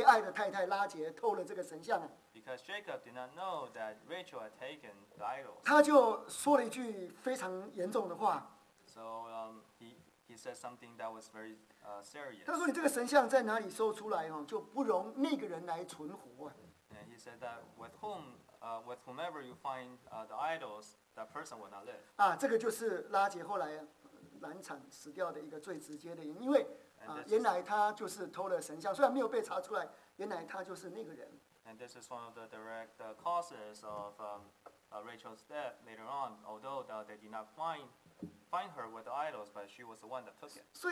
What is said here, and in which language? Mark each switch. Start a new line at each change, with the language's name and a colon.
Chinese: 雅各因为不知道是他最爱的太太拉杰偷了这个神像啊。
English: Because Jacob did not know that Rachel had taken the idols.
Chinese: 他就说了一句非常严重的话。
English: So he said something that was very serious.
Chinese: 他说你这个神像在哪里收出来哦，就不容那个人来存活。
English: And he said that with whomever you find the idols, that person will not live.
Chinese: 啊，这个就是拉杰后来难产死掉的一个最直接的原因，因为。原来他就是偷了神像，虽然没有被查出来，原来他就是那个人。
English: And this is one of the direct causes of Rachel's death later on. Although they did not find her with the idols, but she was the one that took it.